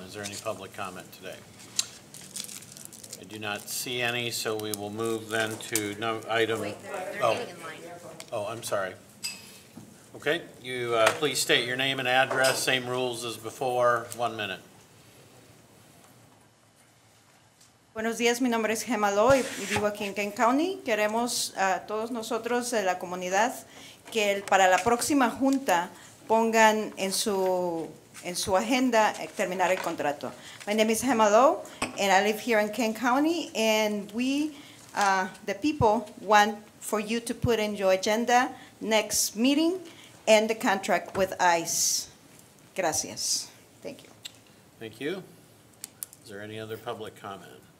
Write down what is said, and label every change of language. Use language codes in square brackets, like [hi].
[en] Is there any public comment today? I do not see any, so we will move then to item... Wait, they're getting in line. Oh, I'm sorry. Okay, you please state your name and address, same rules as before, 1 minute. [es] Buenos días, mi nombre es Gemma Lo y vivo aquí en Kent County. Queremos a todos nosotros de la comunidad que para la próxima junta pongan en su agenda terminar el contrato. [en] My name is Gemma Lo and I live here in Kent County, and we, the people, want for you to put in your agenda next meeting and the contract with ICE. [es] Gracias. [en] Thank you. Thank you. Is there any other public comment?